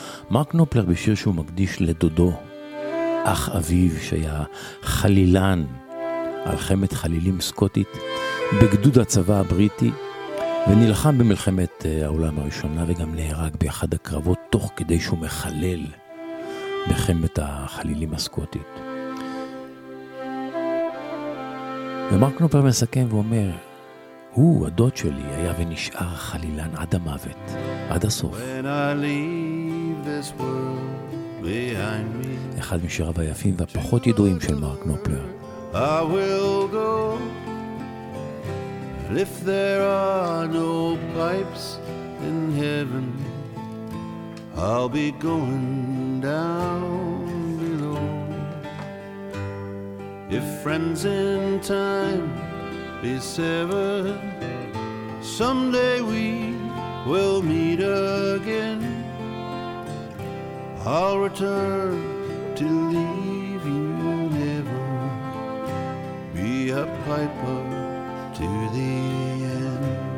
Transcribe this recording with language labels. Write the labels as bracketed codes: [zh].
[he] מרק נופלר בשיר שהוא מקדיש לדודו, אח אביו שהיה חלילן על חמת חלילים סקוטית בגדוד הצבא הבריטי, ונלחם במלחמת העולם הראשונה וגם נהרג באחד הקרבות תוך כדי שהוא מחלל בחמת החלילים הסקוטית. ומרק נופלר מסכם ואומר, הוא, הדוד שלי, היה ונשאר חלילן עד המוות, עד הסוף. [en] When I leave this world behind me, [he] אחד משיריו היפים והפחות ידועים של מרק נופלר. [en] I will go if there are no pipes in heaven I'll be going down below If friends in time be severed Someday we will meet again I'll return to leave you never Be a piper to the end